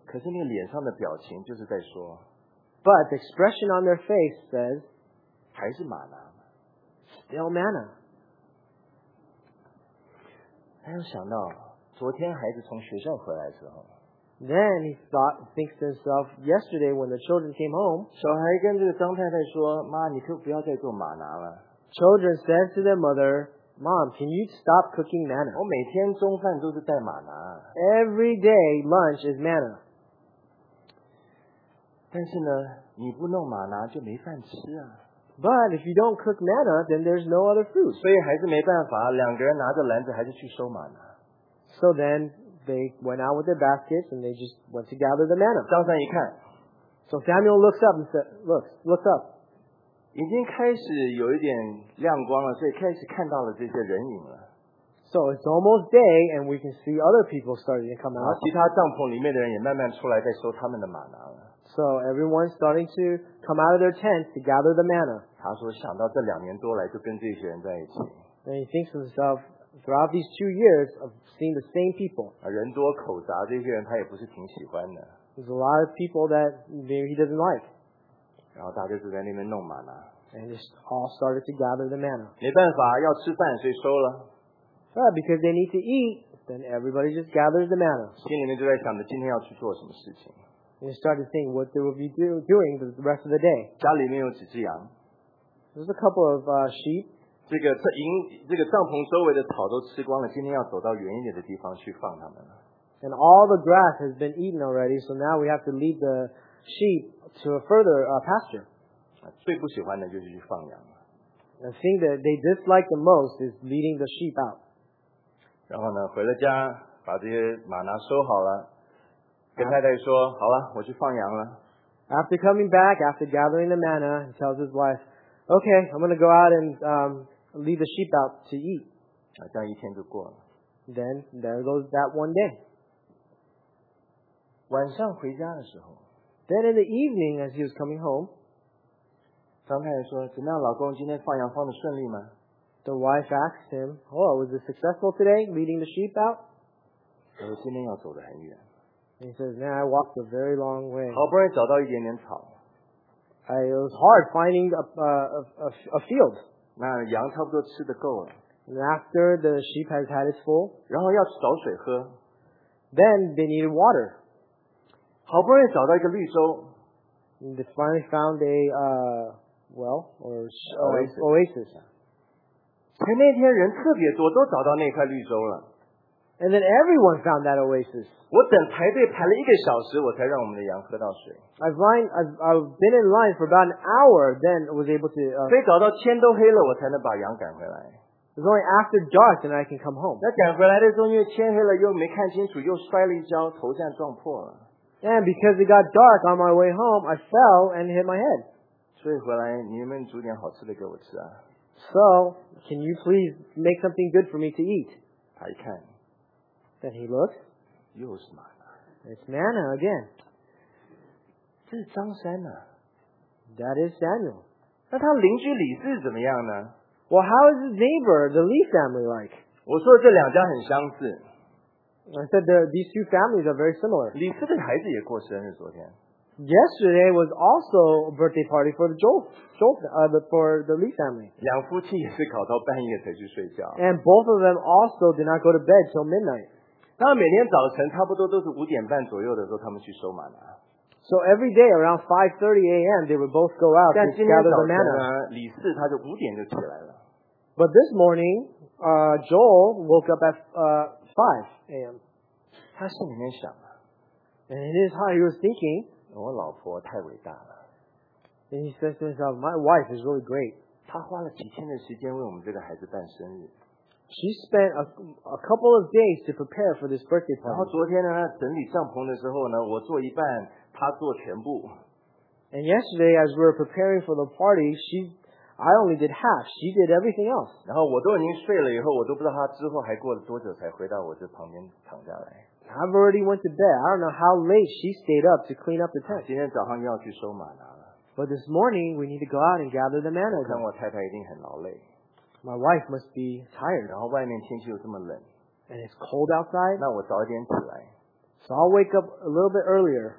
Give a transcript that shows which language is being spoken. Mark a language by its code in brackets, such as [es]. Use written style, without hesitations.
[zh] 可是那个脸上的表情就是在说。 [en] But the expression on their face says. [zh] 还是玛拿。 [en] Still manna. [zh] 还有想到昨天孩子从学校回来的时候。 [en] Then he thinks to himself, yesterday when the children came home, [zh] 小孩跟这个张太太说，妈，你可不要再做玛拿了。 [en] Children said to their mother, Mom, can you stop cooking manna? [zh] 我每天中饭都是带玛拿。 [en] Every day lunch is manna. [zh] 但是呢，你不弄玛拿就没饭吃啊。 [en] But if you don't cook manna, then there's no other food. [zh] 所以还是没办法，两个人拿着篮子还是去收玛拿。 [en] So then, they went out with their baskets and they just went to gather the manna. [zh] 张三一看, [en] So Samuel looks up and says, looks up. [zh] 已经开始有一点亮光了，所以开始看到了这些人影了。 [en] So it's almost day, and we can see other people starting to come out. [zh] 其他帐篷里面的人也慢慢出来，在收他们的玛拿了。 [en] So everyone's starting to come out of their tents to gather the manna. [zh] 他说想到这两年多来就跟这些人在一起。 [en] And he thinks to himself, throughout these 2 years of seeing the same people. [zh] 人多口杂，这些人他也不是挺喜欢的。 [en] There's a lot of people that maybe he doesn't like. [zh] 然后大家就在那边弄玛拿。 [en] And they all started to gather the manna. [zh] 没办法，要吃饭，所以收了。 [en] Yeah, because they need to eat, then everybody just gathers the manna. [zh] 心里面就在想着今天要去做什么事情。 [en] They start to think what they will be doing the rest of the day. [zh] 家里面有几只羊。 [en] There's a couple of sheep. [zh] 这个帐篷周围的草都吃光了，今天要走到远一点的地方去放它们。 [en] And all the grass has been eaten already, so now we have to lead the sheep to a further pasture. [zh] 最不喜欢的就是去放羊。 [en] The thing that they dislike the most is leading the sheep out. [zh] 然后呢，回了家，把这些玛拿收好了，跟太太说：“好了，我去放羊了。” [en] After coming back, after gathering the manna, he tells his wife, "Okay, I'm going to go out and lead the sheep out to eat." [zh] 这样一天就过了。 [en] Then there goes that one day. [zh] 晚上回家的时候 [en] ，Then in the evening, as he was coming home, [zh] 张太太说：“怎么样，老公，今天放羊放得顺利吗？” [en] The wife asked him, "Oh, was it successful today, leading the sheep out?" He said, [zh] 今天要走得很远。 [en] He says, "Man, I walked a very long way." [zh] 好不容易找到一点点草。 [en] It was hard finding a field. [zh] 那羊差不多吃得够了。 [en] And after the sheep has had its full, [zh] 然后要找水喝。 [en] Then they needed water. [zh] 好不容易找到一个绿洲。 [en] And they finally found a well or oasis. [zh] 前那天人特别多，都找到那块绿洲了。 [en] And then everyone found that oasis. [zh] 我等排队排了一个小时，我才让我们的羊喝到水。 [en] I've been in line for about an hour, then was able to. [zh] 非找到天都黑了，我才能把羊赶回来。 [en] It's only after dark that I can come home. [zh] 那赶回来的时候，因为天黑了，又没看清楚，又摔了一跤，头这样撞破了。 [en] And because it got dark on my way home, I fell and hit my head. [zh] 所以回来，你能不能煮点好吃的给我吃啊？ [en] So, can you please make something good for me to eat? [zh] 他一看。 [en] Then he looks. [zh] 又是玛拿。 [en] It's manna again. [zh] 这是张三啊。 [en] That is Samuel. [zh] 那他邻居李四怎么样呢？ [en] Well, how is his neighbor, the Lee family, like? [zh] 我说这两家很相似。 [en] I said these two families are very similar. [zh] 李四的孩子也过生日昨天。 [en] Yesterday was also a birthday party for the for the Lee family. [zh] 两夫妻也是搞到半夜才去睡觉。 [en] And both of them also did not go to bed till midnight. [zh] 他们每天早晨差不多都是五点半左右的时候，他们去收玛拿。 [en] So every day around 5:30 a.m. they would both go out to gather the manna. [zh] 但今天早晨呢，李四他就五点就起来了。 [en] But this morning, Joel woke up at 5 a.m. [zh] 他心里面想啊。 [en] And in his heart, he was thinking. [zh] 我老婆太伟大了。 [en] And he says to himself, "My wife is really great." [zh] 她花了几天的时间为我们这个孩子办生日。 [en] She spent a couple of days to prepare for this birthday party. [zh] 然后昨天呢，整理帐篷的时候呢，我做一半，她做全部。 [en] And yesterday, as we were preparing for the party, I only did half. She did everything else. [zh] 然后我都已经睡了，以后我都不知道她之后还过了多久才回到我这旁边躺下来。 [en] I've already went to bed. I don't know how late she stayed up to clean up the tent. [zh] 今天早上又要去收玛拿了。 [en] But this morning we need to go out and gather the manna. [zh] 我看我太太一定很劳累。 [en] My wife must be tired. [zh] 然后外面天气又这么冷。 [en] And it's cold outside. [zh] 那我早点起来。 [en] So I'll wake up a little bit earlier.